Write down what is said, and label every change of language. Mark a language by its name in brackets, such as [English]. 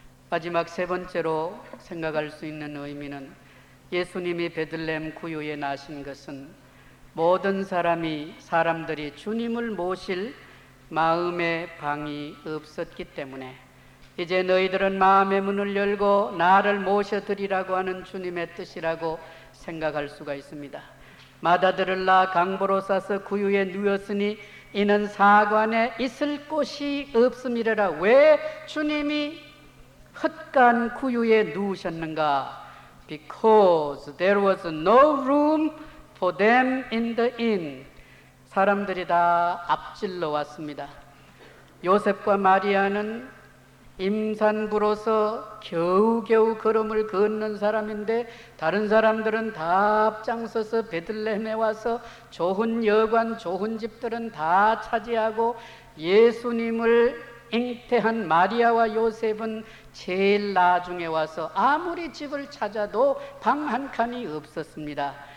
[Korean] 마지막 세 번째로 생각할 수 있는 의미는 예수님이 베들레헴 구유에 나신 것은 모든 사람들이 주님을 모실 마음의 방이 없었기 때문에 이제 너희들은 마음의 문을 열고 나를 모셔드리라고 하는 주님의 뜻이라고 생각할 수가 있습니다. 마다들을 낳아 강보로 싸서 구유에 누였으니 이는 사관에 있을 곳이 없음이래라. 왜 주님이 헛간 구유에 누우셨는가? [English] Because there was no room for them in the inn. [Korean] 사람들이 다 앞질러 왔습니다. 요셉과 마리아는 임산부로서 겨우겨우 걸음을 걷는 사람인데 다른 사람들은 다 앞장서서 베들레헴에 와서 좋은 여관, 좋은 집들은 다 차지하고 예수님을 잉태한 마리아와 요셉은 제일 나중에 와서 아무리 집을 찾아도 방 한 칸이 없었습니다.